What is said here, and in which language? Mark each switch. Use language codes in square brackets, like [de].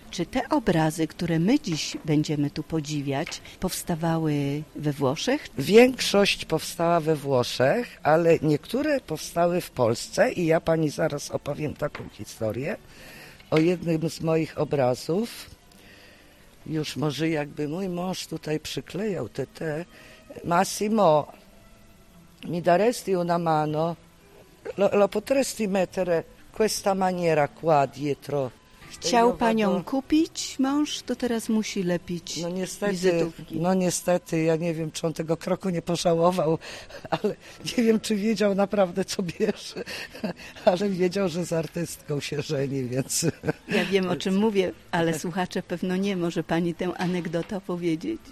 [pl] Czy te obrazy, które my dziś będziemy tu podziwiać, powstawały we Włoszech? Większość powstała we Włoszech, ale niektóre powstały w Polsce i ja pani zaraz opowiem taką historię o jednym z moich obrazów. Już może jakby mój mąż tutaj przyklejał te. [it] Massimo, mi daresti una mano, lo potresti mettere questa maniera qua dietro. [pl] Chciał panią kupić mąż, to teraz musi lepić wizytówki. No niestety, ja nie wiem, czy on tego kroku nie pożałował, ale nie wiem, czy wiedział naprawdę, co bierze, ale wiedział, że z artystką się żeni, więc... Ja wiem, o czym mówię, ale słuchacze pewno nie, może pani tę anegdotę powiedzieć?